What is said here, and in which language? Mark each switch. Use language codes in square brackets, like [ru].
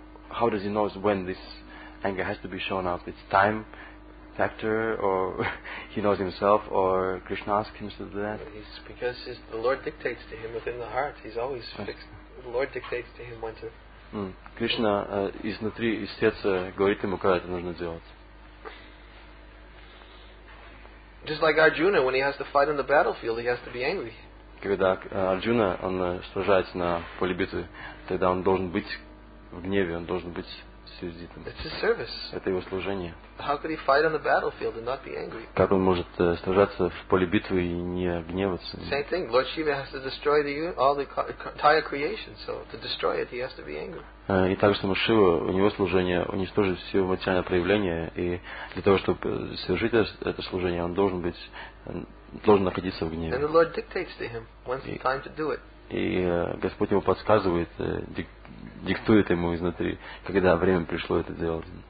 [en] How does he know when this anger has to be shown up? It's time factor, or he knows himself, or Krishna asks him to do that? It's because the Lord dictates to him within the heart. He's always fixed. The Lord dictates to him when to. [ru] Krishna изнутри, из сердца, говорит ему, когда это нужно делать. [en] Just like Arjuna, when he has to fight on the battlefield, he has to be angry. [ru] Когда Арджуна, он сражается на поле битвы, тогда он должен быть в гневе, он должен быть сердитым. [en] It's his service. [ru] Это его служение. [en] How could he fight on the battlefield and not be angry? [ru] Как он может сражаться в поле битвы и не гневаться? [en] Same thing. Lord Shiva has to destroy the entire creation, so to destroy it, he has to be angry. [ru] И также само Шива, у него служение уничтожить все материальное проявление, и для того, чтобы совершить это служение, он должен быть должен находиться в гневе. [en] And the Lord dictates to him when's the time to do it. [ru] И Господь ему подсказывает, диктует ему изнутри, когда время пришло это делать.